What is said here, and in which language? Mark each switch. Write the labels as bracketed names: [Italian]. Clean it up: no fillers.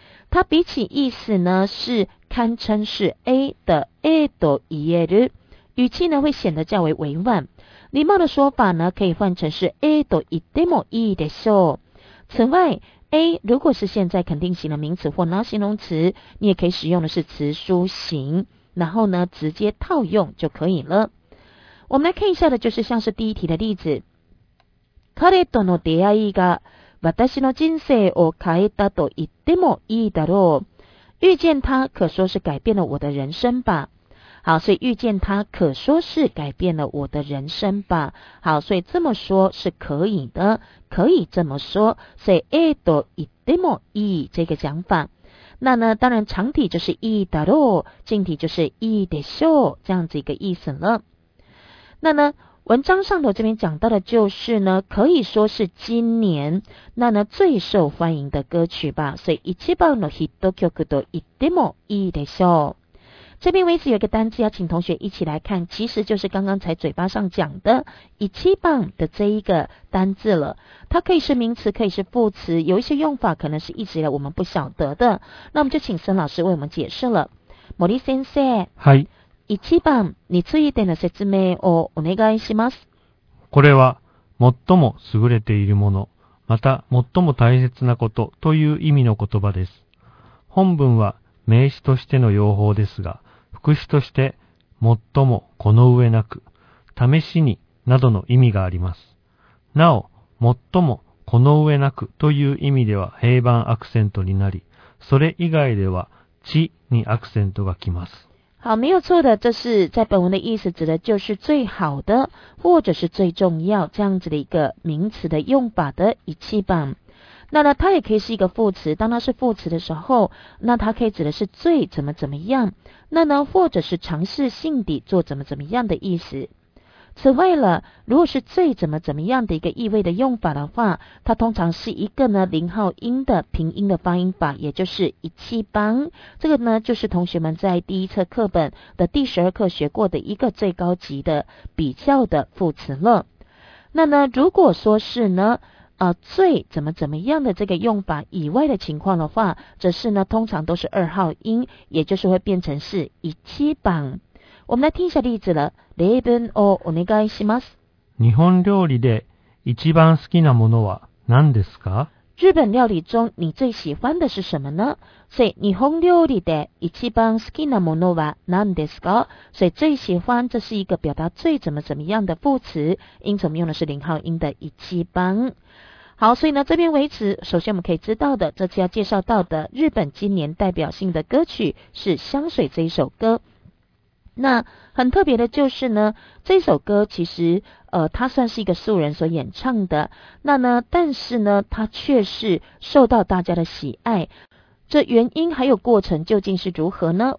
[Chinese] 它比起意思呢是堪称是 A 的 A と言える，语气呢会显得较为委婉，礼貌的说法呢可以换成是 [Japanese] A と言ってもいいでしょう。 [Chinese] 此外 A 如果是现在肯定型的名词或那形容词，你也可以使用的是词书型，然后呢直接套用就可以了。我们来看一下的就是像是第一题的例子， [Japanese] 彼との出会いが私の人生を変えたと言ってもいいだろう， [Chinese] 遇见他可说是改变了我的人生吧。好，所以遇见他可说是改变了我的人生吧。好，所以这么说是可以的，可以这么说。所以 A と言ってもいい这个讲法，那呢当然长体就是いいだろう，近体就是いいでしょう，这样子一个意思了。那呢文章上头这边讲到的就是呢，可以说是今年那呢最受欢迎的歌曲吧。 [Japanese] 所以一番のヒット曲と言ってもいいでしょう。 [Chinese] 这边为止有一个单字要请同学一起来看，其实就是刚刚才嘴巴上讲的一番的这一个单字了。它可以是名词，可以是副词，有一些用法可能是一直以来我们不晓得的，那我们就请森老师为我们解释了。 [Japanese] 森先生，はい、一番についての説明をお願いします。これは最も優れているもの、また最も大切なことという意味の言葉です。本文は名詞としての用法ですが、副詞として最もこの上なく、試しになどの意味があります。なお最もこの上なくという意味では平板アクセントになり、それ以外では地にアクセントがきます。 [Chinese] 好，没有错的，这是在本文的意思，指的就是最好的或者是最重要这样子的一个名词的用法的一气棒。那呢，它也可以是一个副词，当它是副词的时候，那它可以指的是最怎么怎么样，那呢，或者是尝试性地做怎么怎么样的意思。此外了，如果是最怎么怎么样的一个意味的用法的话，它通常是一个呢零号音的平音的发音法，也就是一气棒。这个呢就是同学们在第一册课本的第十二课学过的一个最高级的比较的副词了。那呢如果说是呢最怎么怎么样的这个用法以外的情况的话，则是呢通常都是二号音，也就是会变成是一气棒。我们来听一下例子了。 [Japanese] 例文をお願いします。日本料理で一番好きなものは何ですか？ [Chinese] 日本料理中你最喜欢的是什么呢？ [Japanese] 所以日本料理で一番好きなものは何ですか？ [Chinese] 所以最喜欢，这是一个表达最怎么怎么样的副词，因此我们用的是零号音的一番。好，所以呢，这边为止，首先我们可以知道的，这次要介绍到的日本今年代表性的歌曲是《香水》这一首歌。那很特别的就是呢，这首歌其实它算是一个素人所演唱的，那呢但是呢它却是受到大家的喜爱，这原因还有过程究竟是如何呢？